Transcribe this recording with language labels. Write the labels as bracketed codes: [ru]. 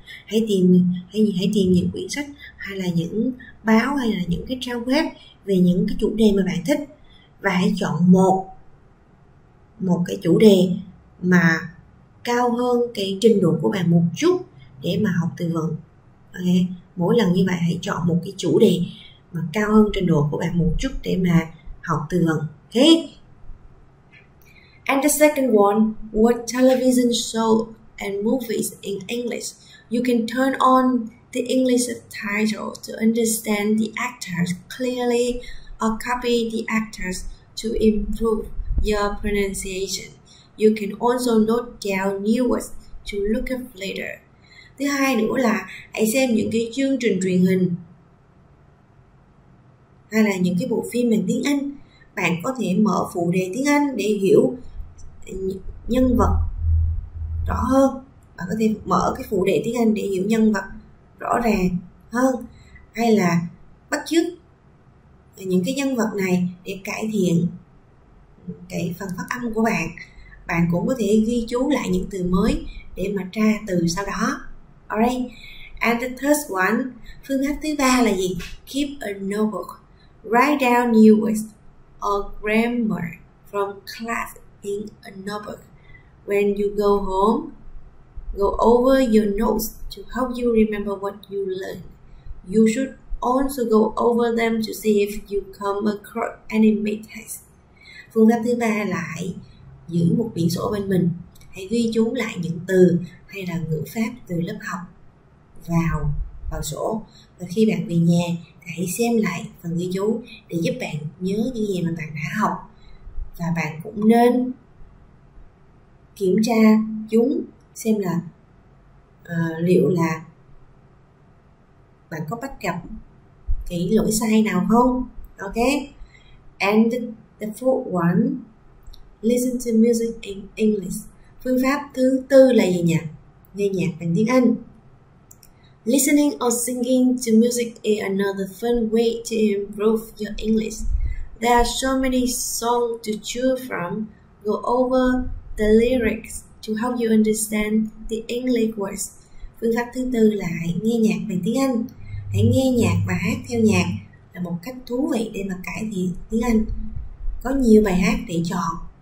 [vi] Hãy tìm những quyển sách hay là những báo hay là những cái trang web về những cái chủ đề mà bạn thích, và hãy chọn một cái chủ đề mà cao hơn cái trình độ của bạn một chút để mà học từ vựng. Okay. Mỗi lần như vậy hãy chọn một cái chủ đề mà cao hơn trình độ của bạn một chút để mà học từ vựng. [en] Okay. And the second one, watch television show and movies in English. You can turn on the English subtitles to understand the actors clearly or copy the actors to improve your pronunciation. You can also note down new words to look up later. [vi] Thứ hai nữa là hãy xem những cái chương trình truyền hình hay là những cái bộ phim bằng tiếng Anh. Bạn có thể mở phụ đề tiếng Anh để hiểu nhân vật rõ hơn. Bạn có thể mở cái phụ đề tiếng Anh để hiểu nhân vật rõ ràng hơn, hay là bắt chước những cái nhân vật này để cải thiện cái phần phát âm của bạn. Bạn cũng có thể ghi chú lại những từ mới để mà tra từ sau đó. Alright. [en] And the third one, [vi] phương pháp thứ ba là gì? [en] Keep a notebook. Write down new words or grammar from class in a notebook. When you go home, go over your notes to help you remember what you learned. You should also go over them to see if you come across any mistakes. [vi] Phương pháp thứ ba là hãy giữ một quyển sổ bên mình. Hãy ghi chú lại những từ hay là ngữ pháp từ lớp học vào sổ. Và khi bạn về nhà, hãy xem lại phần ghi chú để giúp bạn nhớ những gì mà bạn đã học. Và bạn cũng nên kiểm tra chúng, xem là liệu là bạn có bắt gặp cái lỗi sai nào không. [en] Ok, and the fourth one, listen to music in English. [vi] Phương pháp thứ tư là gì nhỉ? Nghe nhạc bằng tiếng Anh. [en] Listening or singing to music is another fun way to improve your English. There are so many songs to choose from. Go over the lyrics to help you understand the English words. [vi] Phương pháp thứ tư là hãy nghe nhạc bằng tiếng Anh. Hãy nghe nhạc và hát theo nhạc là một cách thú vị để mà cải thiện tiếng Anh. Có nhiều bài hát để chọn.